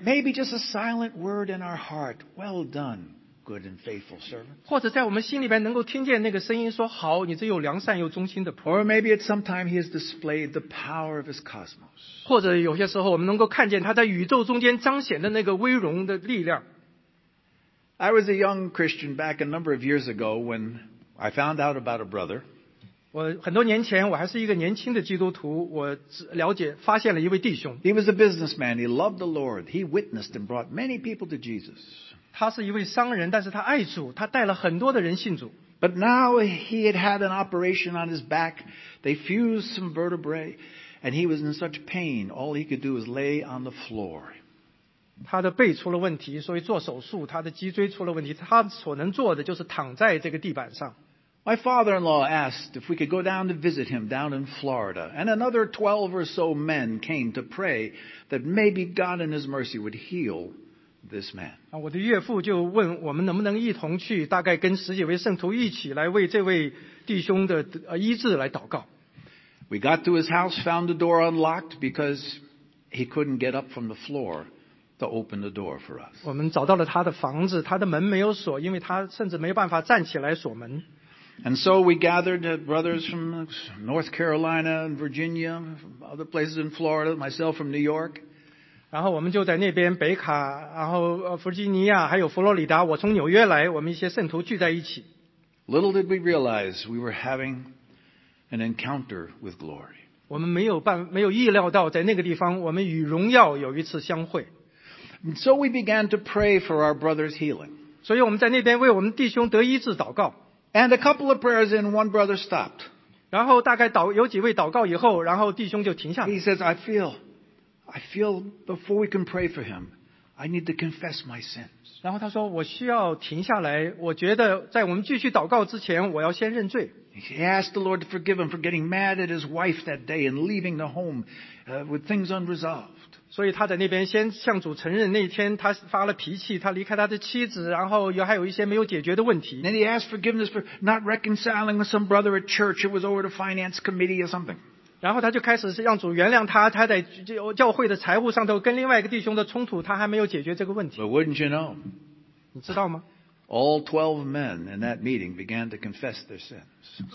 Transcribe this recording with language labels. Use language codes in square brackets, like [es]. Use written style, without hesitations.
[en] Maybe just a silent word in our heart. Well done, good and faithful servant. [zh] 或者在我们心里边能够听见那个声音说，好，你这又良善又忠心的仆人。 [en] Or maybe at some time He has displayed the power of His cosmos. [zh] 或者有些时候我们能够看见他在宇宙中间彰显的那个威荣的力量。 [en] I was a young Christian back a number of years ago when I found out about a brother. [zh] 我很多年前我还是一个年轻的基督徒，我了解发现了一位弟兄。 [en] He was a businessman. He loved the Lord. He witnessed and brought many people to Jesus. [zh] 他是一位商人，但是他爱主，他带了很多的人信主。 [en] But now he had had an operation on his back. They fused some vertebrae, and he was in such pain. All he could do was lay on the floor. [zh] 他的背出了问题，所以做手术，他的脊椎出了问题，他所能做的就是躺在这个地板上。 [en] My father-in-law asked if we could go down to visit him down in Florida, and another 12 or so men came to pray that maybe God in His mercy would heal this man. [zh] 我的岳父就问我们能不能一同去，大概跟十几位圣徒一起来为这位弟兄的医治来祷告。 [en] We got to his house, found the door unlocked because he couldn't get up from the floor. To open the door for us. [zh] 我们找到了他的房子，他的门没有锁，因为他甚至没有办法站起来锁门。 [en] And so we gathered brothers from North Carolina and Virginia, other places in Florida, myself from New York. [zh] 然后我们就在那边北卡，然后弗吉尼亚，还有佛罗里达，我从纽约来，我们一些圣徒聚在一起。 [en] Little did we realize we were having an encounter with glory. [zh] 我们没有意料到在那个地方我们与荣耀有一次相会。 [en] And so we began to pray for our brother's healing. [zh] 所以我们在那边为我们弟兄得医治祷告。 [en] And a couple of prayers in, one brother stopped. [zh] 然后大概有几位祷告以后，然后弟兄就停下了。 [en] He says, I feel, I feel before we can pray for him, I need to confess my sins. [zh] 然后他说我需要停下来，我觉得在我们继续祷告之前，我要先认罪。 [en] He asked the Lord to forgive him for getting mad at his wife that day and leaving the home, with things unresolved. [zh] 所以他在那边先向主承认那天他发了脾气，他离开他的妻子，然后还有一些没有解决的问题。 [en] Then he asked forgiveness for not reconciling with some brother at church who was over the finance committee or something. [zh] 然后他就开始让主原谅他，他在教会的财务上头跟另外一个弟兄的冲突，他还没有解决这个问题。 [en] But wouldn't you know? [zh] 你知道吗？ [en] All 12 men in that meeting began to confess their sins.